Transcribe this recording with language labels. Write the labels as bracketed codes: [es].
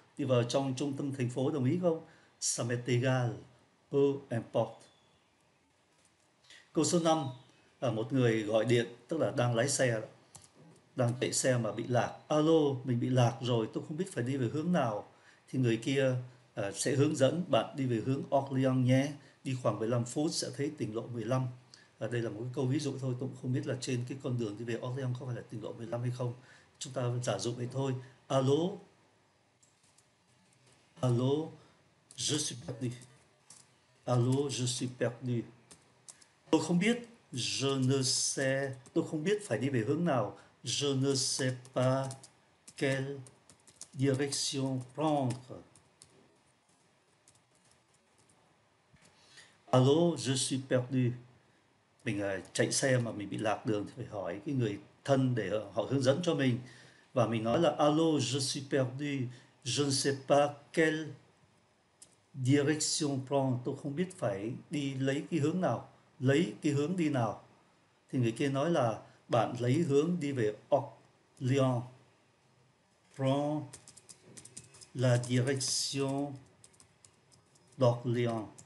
[vi] Đi vào trong trung tâm thành phố, đồng ý không? [fr] Ça m'est égal, peu importe. [vi] Câu số 5. Là một người gọi điện, tức là đang lái xe, đang chạy xe mà bị lạc. Alo, mình bị lạc rồi, tôi không biết phải đi về hướng nào. Thì người kia sẽ hướng dẫn bạn đi về hướng Orléans nhé. Đi khoảng 15 phút sẽ thấy tỉnh lộ 15. Đây là một cái câu ví dụ thôi, tôi cũng không biết là trên cái con đường đi về Orléans có phải là tỉnh lộ 15 hay không. Chúng ta giả dụ vậy thôi. Alo. [fr] Alo, je suis perdu. Alo, je suis perdu. [vi] Tôi không biết, [fr] je ne sais, [vi] tôi không biết phải đi về hướng nào. [fr] Je ne sais pas quelle direction prendre. Alo, je suis perdu. [vi] Mình chạy xe mà mình bị lạc đường thì phải hỏi cái người thân để họ hướng dẫn cho mình. Và mình nói là alo, [fr] je suis perdu. Je ne sais pas quelle direction prendre. [vi] Tôi không biết phải đi lấy cái hướng nào, lấy cái hướng đi nào. Thì người kia nói là bạn lấy hướng đi về Orléans. [fr] Prends la direction d'Orléans.